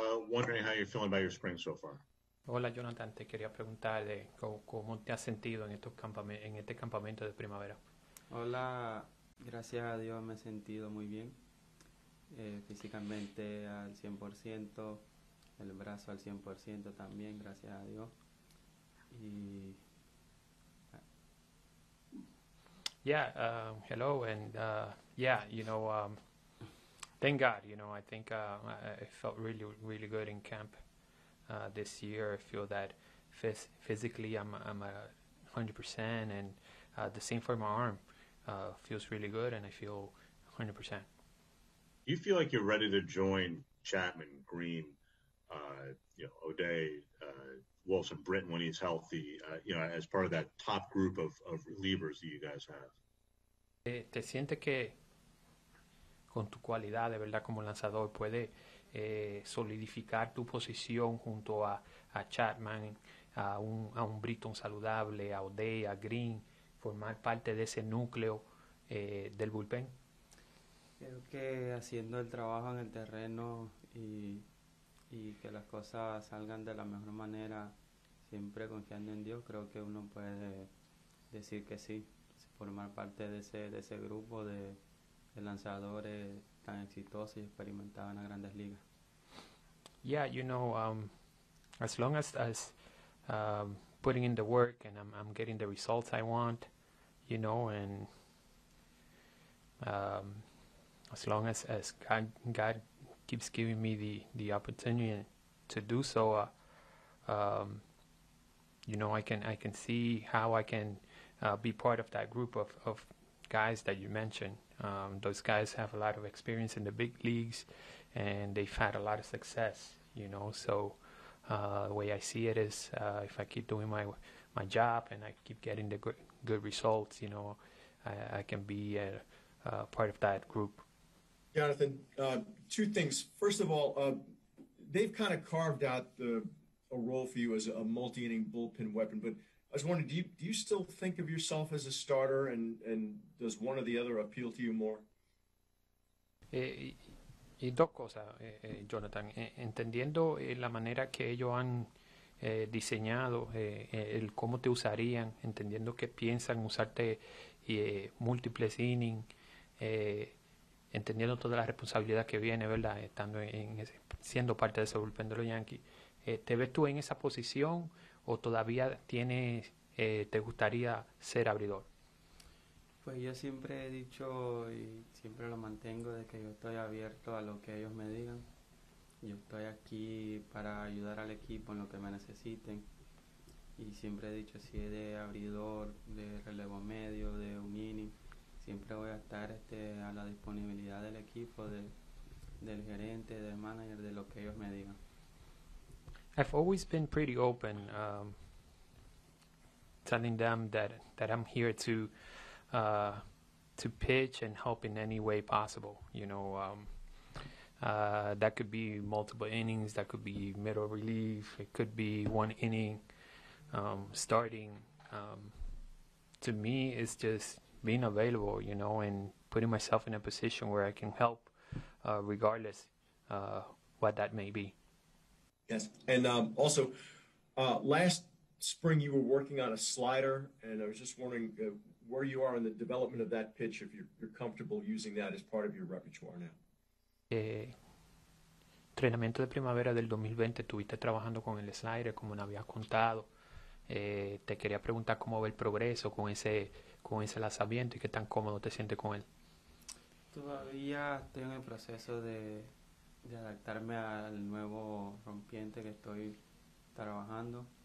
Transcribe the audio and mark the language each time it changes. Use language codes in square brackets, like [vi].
[en] Wondering how you're feeling about your spring so far. [es] Hola Jonathan, te quería preguntar de cómo te has sentido en estos campamentos, en este campamento de primavera. Hola, gracias a Dios me he sentido muy bien, físicamente al 100%, el brazo al 100% también, gracias a Dios. Y [en] Hello, and thank God, I think I felt really, really good in camp this year. I feel that physically I'm 100%, and the same for my arm, feels really good, and I feel 100%. do you feel like you're ready to join Chapman, Green, O'Day, Wilson, Britton when he's healthy, as part of that top group of relievers that you guys have? [es] ¿Te sientes que con tu cualidad de verdad como lanzador puede solidificar tu posición junto a Chapman, a un Britton saludable, a O'Day, a Green, formar parte de ese núcleo del bullpen? Creo que haciendo el trabajo en el terreno y que las cosas salgan de la mejor manera, siempre confiando en Dios, creo que uno puede decir que sí, formar parte de ese grupo de lanzadores tan exitosos y experimentados en las grandes ligas. [en] As long as putting in the work and I'm getting the results I want, as long as God keeps giving me the opportunity to do so, I can see how I can be part of that group of guys that you mentioned. Those guys have a lot of experience in the big leagues, and they've had a lot of success. The way I see it is, if I keep doing my job and I keep getting the good results, I can be a part of that group. Jonathan, two things. First of all, they've kind of carved out a role for you as a multi-inning bullpen weapon. But I was wondering, do you still think of yourself as a starter, and does one or the other appeal to you more? [es] Y dos cosas, Jonathan, entendiendo la manera que ellos han diseñado el cómo te usarían, entendiendo que piensan usarte múltiples innings, entendiendo toda la responsabilidad que viene, ¿verdad? Estando en ese, siendo parte de ese bullpen de los Yankees, ¿te ves tú en esa posición o todavía tienes te gustaría ser abridor? Pues yo siempre he dicho y siempre lo mantengo de que yo estoy abierto a lo que ellos me digan. Yo estoy aquí para ayudar al equipo en lo que me necesiten. Y siempre he dicho, si es de abridor, de relevo medio, de un inning, siempre voy a estar a la disponibilidad del equipo, del gerente, del manager, de lo que ellos me digan. [en] I've always been pretty open, telling them that I'm here to pitch and help in any way possible. That could be multiple innings, that could be middle relief, it could be one inning, starting. To me, it's just being available, and putting myself in a position where I can help, regardless, what that may be. Yes, and also, last spring you were working on a slider, and I was just wondering where you are in the development of that pitch, if you're comfortable using that as part of your repertoire now. [es] Entrenamiento de primavera del 2020, estuviste trabajando con el slider, como me habías contado. Te quería preguntar cómo va el progreso con ese lanzamiento y qué tan cómodo te sientes con él. Todavía estoy en el proceso de adaptarme al nuevo rompiente que estoy trabajando.